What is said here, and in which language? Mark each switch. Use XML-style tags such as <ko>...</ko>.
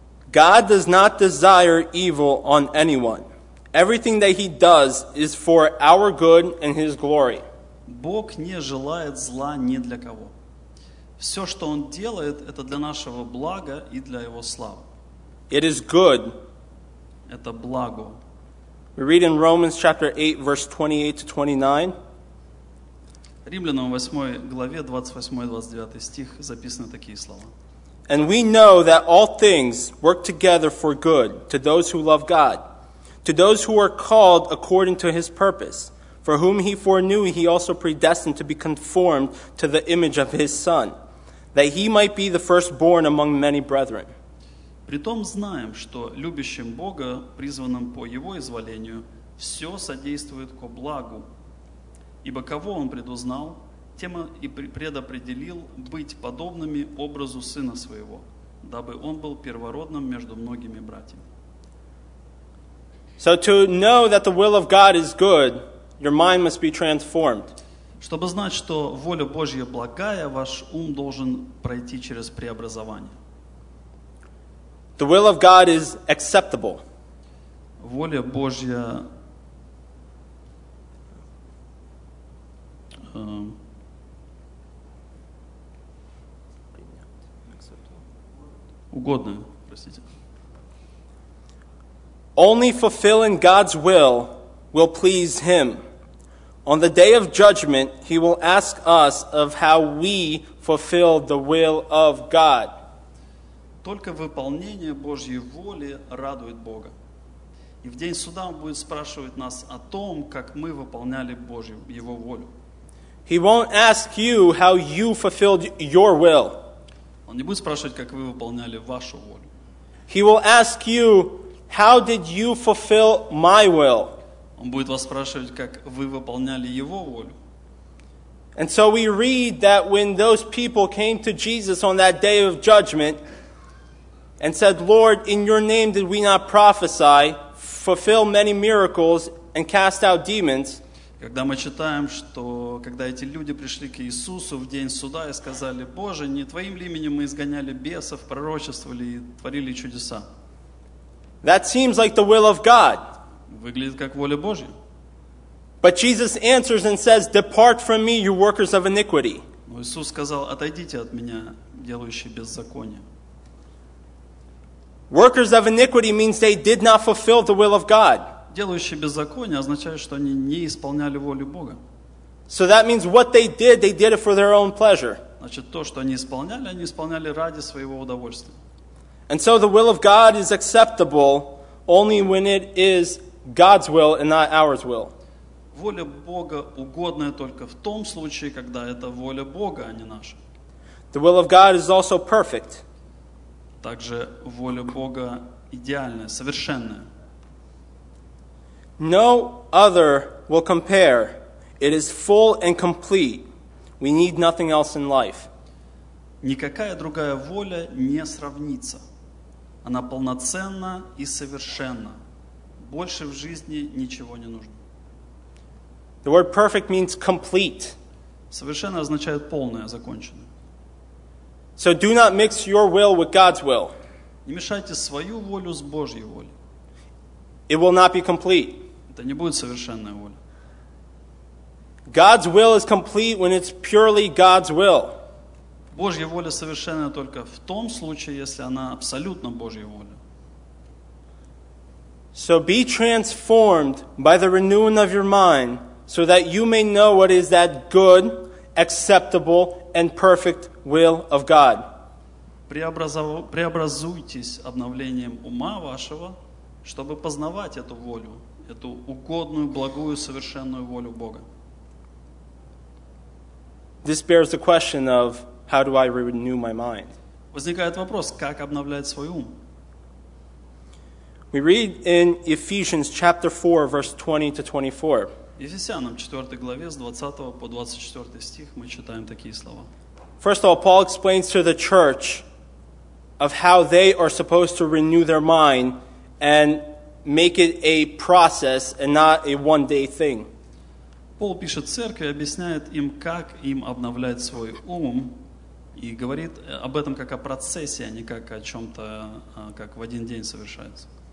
<en>God does not desire evil on anyone. Everything that he does is for our good and his glory.</en> <ru>Бог не желает зла ни для кого. Все, что он делает, это для нашего блага и для его славы.</ru> <en>It is good.</en> <ru>Это благо.</ru> <en>We read in Romans chapter 8, verse 28-29.</en> <ru>Римлянам 8 главе 28-29 стих записаны такие слова.</ru> <en>And we know that all things work together for good to those who love God, to those who are called according to his purpose, for whom he foreknew he also predestined to be conformed to the image of his Son, that he might be the firstborn among many brethren.</en> <ru>Притом знаем, что любящим Бога, призванным по его изволению, все содействует ко благу. Ибо кого он предузнал, тем и предопределил быть подобными образу сына своего, дабы он был первородным между многими братьями.</ru> <en>So to know that the will of God is good, your mind must be transformed.</en> <ru>Чтобы знать, что воля Божья благая, ваш ум должен пройти через преобразование.</ru> <en>The will of God is acceptable.</en> <ru>Воля Божья угодная, простите.</ru> <en>Only fulfilling God's will please him. On the day of judgment, he will ask us of how we fulfilled the will of God.</en> <ru>Только выполнение Божьей воли радует Бога. И в день суда он будет спрашивать нас о том, как мы выполняли Божью его волю.</ru> <en>He won't ask you how you fulfilled your will.</en> <ru>Он не будет спрашивать, как вы выполняли вашу волю.</ru> <en>He will ask you, how did you fulfill my will?</en> <ru>Он будет вас спрашивать, как вы выполняли его волю.</ru> <en>And so we read that when those people came to Jesus on that day of judgment and said, Lord, in your name did we not prophesy, fulfill many miracles and cast out demons?</en> <ru>Когда мы читаем, что когда эти люди пришли к Иисусу в день суда и сказали, Боже, не Твоим ли именем мы изгоняли бесов, пророчествовали и творили чудеса?</ru> <en>That seems like the will of God.</en> <ru>Выглядит как воля Божья.</ru> <en>But Jesus answers and says, depart from me, you workers of iniquity.</en> <ru>Но Иисус сказал, отойдите от меня, делающие беззаконие.</ru> <en>Workers of iniquity means they did not fulfill the will of God.</en> <ru>Делающие беззаконие означает, что они не исполняли волю Бога.</ru> <en>So that means what they did it for their own pleasure.</en> <ru>Значит, то, что они исполняли ради своего удовольствия.</ru> <en>And so the will of God is acceptable only when it is God's will and not ours will.</en> <ru>Воля Бога угодная только в том случае, когда это воля Бога, а не наша.</ru> <en>The will of God is also perfect.</en> <ru>Также воля Бога идеальная, совершенная.</ru> <en>No other will compare. It is full and complete. We need nothing else in life.</en> <ru>Никакая другая воля не сравнится. Она полноценна и совершенна. Больше в жизни ничего не нужно.</ru> <en>The word perfect means complete.</en> <ru>Совершенно означает полное, законченное.</ru> <en>So do not mix your will with God's will.</en> <ru>Не мешайте свою волю с Божьей волей.</ru> <en>It will not be complete.</en> <ru>Это не будет совершенная воля.</ru> <en>God's will is complete when it's purely God's will.</en> <ru>Божья воля совершенна только в том случае, если она абсолютно Божья воля.</ru> <en>So be transformed by the renewing of your mind, so that you may know what is that good, acceptable, and perfect will of God.</en> <ru>Преобразуйтесь обновлением ума вашего, чтобы познавать эту волю, эту угодную, благую, совершенную волю Бога.</ru> <en>This bears the question of how do I renew my mind?</en> <ru>Возникает вопрос, как обновлять свой ум?</ru> <en>We read in Ephesians chapter 4, verse 20 to 24.</en> <ru>Ефесянам 4 главе с 20 по 24 стих мы читаем такие слова.</ru> <en>First of all, Paul explains to the church of how they are supposed to renew their mind and make it a process and not a one-day thing.</en> <ru>Пол пишет церкви, объясняет им, как им обновлять свой ум, и говорит об этом как о процессе, а не как о чем-то, как в один день совершается.</ru>